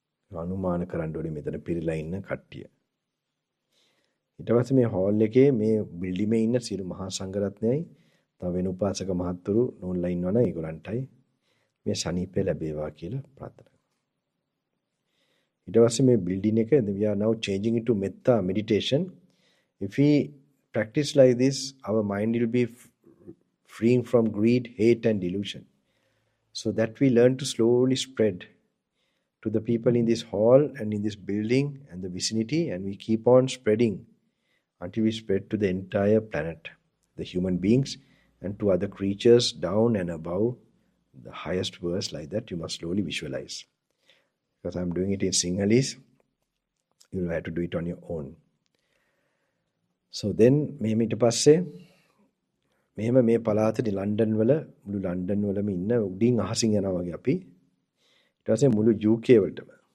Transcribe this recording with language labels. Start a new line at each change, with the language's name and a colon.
Sinhala: අනුමාන කරන්න ඕනේ මෙතන පිරීලා ඉන්න කට්ටිය. ඊට පස්සේ මේ හෝල් එකේ මේ බිල්ඩිමේ ඉන්න සිරි මහා සංඝරත්නයයි තව වෙන උපාසක මහත්තුරු නෝන්ලා ඉන්නවනේ ඒගොල්ලන්ටයි මේ සනීපය ලැබේවා කියලා ප්‍රාර්ථනා කරනවා. ඊට පස්සේ මේ බිල්ඩින් එක
English: we are now changing it to metta meditation. If we practice like this, our mind will be freeing from greed, hate and delusion. So that we learn to slowly spread to the people in this hall and in this building and the vicinity, and we keep on spreading until we spread to the entire planet, the human beings and to other creatures down and above the highest verse like that. You must slowly visualize. Because I'm doing it in Sinhalese, you will have to do it on your own. So then
Sinhala: මෙහෙම ඊට පස්සේ මෙහෙම මේ පළාතේ London වල මුළු London වලම ඉන්න උඩින් අහසින් යනවා වගේ අපි ඊට පස්සේ මුළු UK වලටම